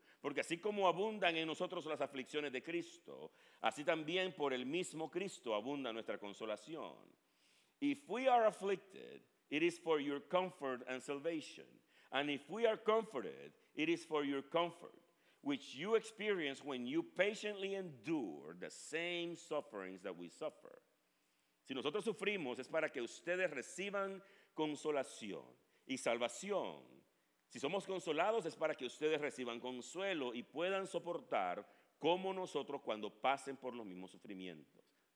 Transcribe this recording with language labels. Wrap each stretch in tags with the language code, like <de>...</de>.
<es>Porque así como abundan en nosotros las aflicciones de Cristo, así también por el mismo Cristo abunda nuestra consolación.</es> <en>If we are afflicted, it is for your comfort and salvation. And if we are comforted, it is for your comfort, which you experience when you patiently endure the same sufferings that we suffer.</en> <es>Si nosotros sufrimos, es para que ustedes reciban consolación y salvación. Si somos consolados, es para que ustedes reciban consuelo y puedan soportar como nosotros cuando pasen por los mismos sufrimientos."</es>